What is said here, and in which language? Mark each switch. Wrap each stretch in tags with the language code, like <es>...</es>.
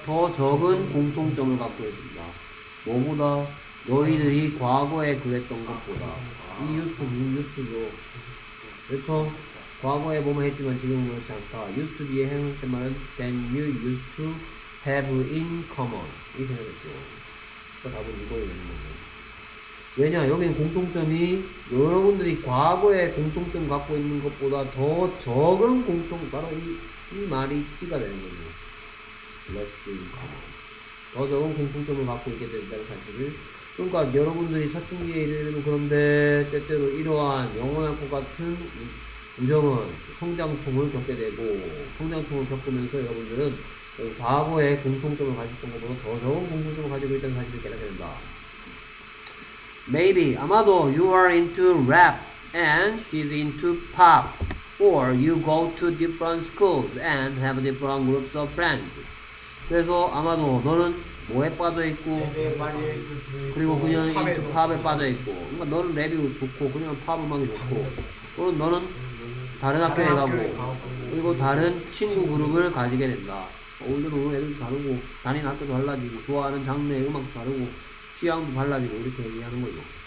<ko>더 적은 공통점을 갖고 있습니다. 뭐보다? 너희들이 과거에 그랬던 것보다. 이 used to, used to죠. 그렇죠? 과거에 보면 했지만 지금은 그렇지 않다.</ko> <en>used to be</en> <ko>행할 때만은</ko> <en>than you used to have in common.</en> <ko>이 생각했죠. 답은 이거에 있는 거죠. 왜냐, 여긴 공통점이 여러분들이 과거에 공통점 갖고 있는 것보다 더 적은 공통, 바로 이 말이 키가 되는 거죠.</ko> <en>less in common.</en> <ko>더 적은 공통점을 갖고 있게 된다는 사실을. 그러니까 여러분들이 사춘기에 이르면 그런데 때때로 이러한 영원할 것 같은 우정은 성장통을 겪게 되고, 성장통을 겪으면서 여러분들은 과거의 공통점을 가졌던 것보다 더 적은 공통점을 가지고 있다는 사실을 깨닫게 된다.</ko> <en>Maybe,</en> <ko>아마도</ko> <en>you are into rap and she's into pop. Or you go to different schools and have different groups of friends.</en> <ko>그래서 아마도 너는 뭐에 빠져있고, 그리고 그녀는 into 팝에 빠져있고, 그러니까 너는 랩이 좋고, 그녀는 팝 음악이 좋고, 그리고 너는 다른 학교에 가고, 그리고 다른 친구 그룹을 가지게 된다. 오늘은 애들 다르고, 다니는 학교도 달라지고, 좋아하는 장르의 음악도 다르고, 취향도 달라지고, 이렇게 얘기하는 거죠.</ko>